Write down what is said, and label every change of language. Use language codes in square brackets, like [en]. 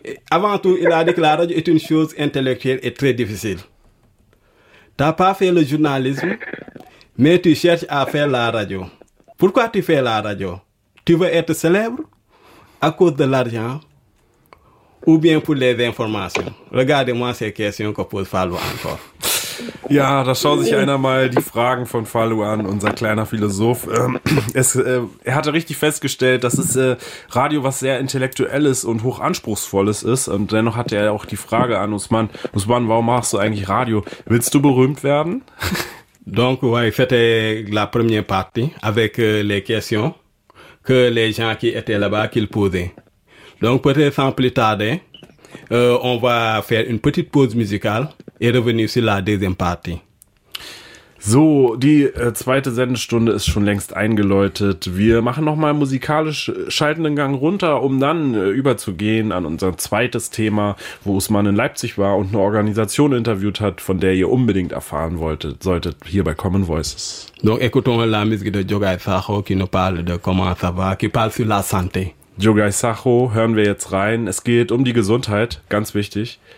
[fr] Avant tout, il a dit que la radio est une chose intellectuelle et très difficile. Tu n'as pas fait le journalisme, mais tu cherches à faire la radio. Pourquoi tu fais la radio? Tu veux être célèbre à cause de l'argent ou bien pour les informations? Regardez-moi ces questions que pose Fallou encore. [de] Ja, da schaut sich einer mal die Fragen von Fallou an, unser kleiner Philosoph. Er hatte richtig festgestellt, dass es Radio was sehr Intellektuelles und Hochanspruchsvolles ist. Und dennoch hatte er auch die Frage an Ousmane: Ousmane, warum machst du eigentlich Radio? Willst du berühmt werden? [fr] Donc, ouais, c'était la première partie avec les questions que les gens qui étaient là-bas qu'ils posaient. Donc, peut-être sans plus tarder, on va faire une petite pause musicale. Et revenir sur la deuxième partie. [de] So, die zweite Sendestunde ist schon längst eingeläutet. Wir machen nochmal musikalisch schaltenden Gang runter, um dann überzugehen an unser zweites Thema, wo Ousmane in Leipzig war und eine Organisation interviewt hat, von der ihr unbedingt erfahren wolltet, solltet hier bei Common Voices. [fr] Donc écoutons la musique de Djogai Sacho, qui nous parle de comment ça va, qui parle sur la santé. [de] Djogai Sacho, hören wir jetzt rein. Es geht um die Gesundheit, ganz wichtig.